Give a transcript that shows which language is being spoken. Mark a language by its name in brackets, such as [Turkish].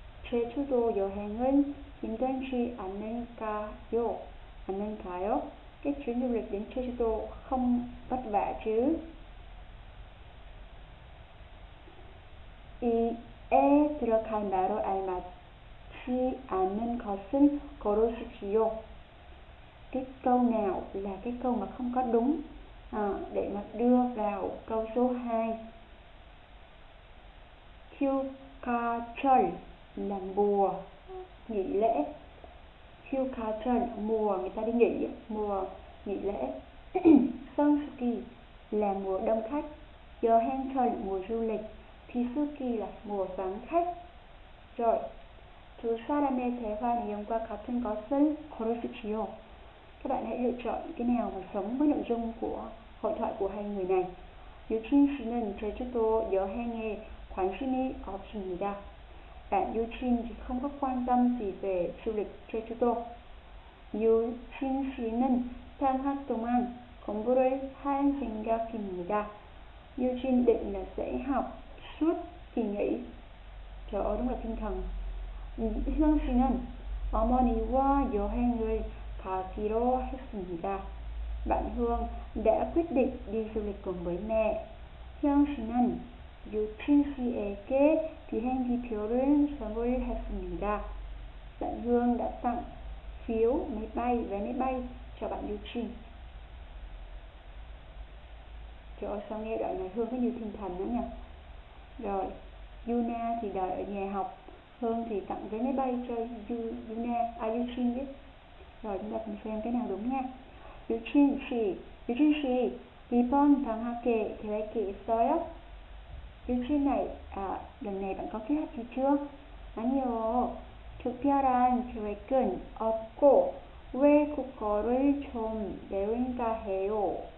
[Korean] Jeju-do 여행은 힘들지 않을까요? 않을까요? [Vietnamese] Cái chuyến du lịch đến Jeju-do không vất vả chứ? [Korean] 이에 들어갈 말로 알맞지 않는 것은 고르십시오. [Vietnamese] Cái câu nào là cái câu mà không có đúng để mà đưa vào câu số 2. 휴가철 là mùa nghỉ lễ. 휴가철 mùa người ta đi nghỉ, mùa nghỉ lễ. 성수기 là mùa đông khách. 여행철 mùa du lịch. 비수기 là mùa vắng khách. Rồi. [Korean] 두 사람의 대화 내용과 같은 것을 고르십시오. [Vietnamese] Các bạn hãy lựa chọn cái nào mà giống với nội dung của hội thoại của hai người này. [Korean] 유진 씨는 제주도 여행에 관심이 없습니다. [Vietnamese] Bạn Yuchin thì không có quan tâm gì về du lịch Jeju-do. [Korean] 유진 씨는 3학 동안 공부를 할 생각입니다. [Vietnamese] 유진 định là sẽ học suốt kỳ nghỉ. Trời ơi, đúng là thiên thần. [Korean] Hương xin 어머니와 여행을 가기로 했습니다. [Vietnamese] Bạn Hương đã quyết định đi du lịch cùng với mẹ. [Korean] Hương xin 유진 씨에게 비행기표를 선물했습니다. [Vietnamese] Bạn Hương đã tặng phiếu máy bay, vé máy bay cho bạn Yuchin. Trời ơi, sao nghe đoạn này Hương có như thiên thần lắm nhỉ. Rồi, Yuna thì đợi ở nhà học, Hương thì tặng vé máy bay cho Yuna, à Yuchin chứ. Rồi, chúng ta cùng xem cái nào đúng nha. [Korean] Yuchin 씨, Yuchin 씨, 이번 방학에 계획이 있어요? [Vietnamese] Yuchin này, à, lần này bạn có kế hoạch gì chưa? [Korean] 아니요. 특별한 계획은 없고 외국어를 좀 배운다 해요.